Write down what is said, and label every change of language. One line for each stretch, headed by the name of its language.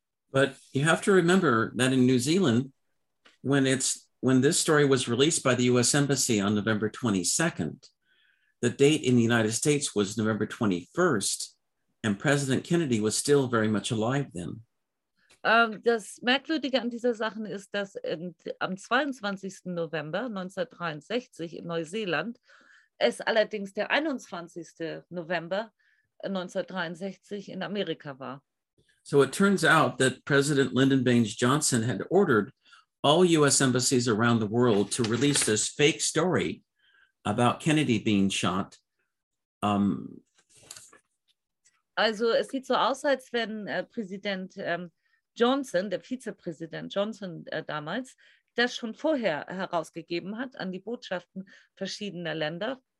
English: But you have to remember that in New Zealand, when this story was released by the U.S. Embassy on November 22nd, the date in the United States was November 21st, and President Kennedy was still very much alive then.
German: Das Merkwürdige an dieser Sache ist, dass am 22. November 1963 in Neuseeland es allerdings der 21. November 1963 in Amerika war.
English: So it turns out that President Lyndon Baines Johnson had ordered all U.S. embassies around the world to release this fake story about Kennedy being shot.
German: Also es sieht so aus, als wenn Präsident Johnson, der Vizepräsident Johnson damals, das schon vorher herausgegeben hat an die Botschaften verschiedener Länder.